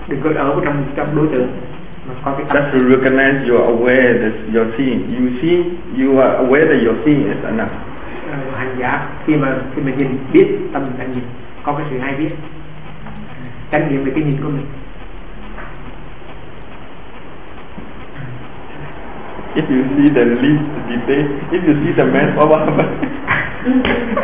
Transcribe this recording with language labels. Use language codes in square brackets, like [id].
[en] Just to recognize you are aware that you're seeing. You see, you are aware that you're seeing is enough. [vi] Hành giả khi mà nhìn biết tâm mình đang nhìn, có cái sự hay biết, trải nghiệm về cái nhìn của mình. [en] If you see the least detail, if you see the man, what happens?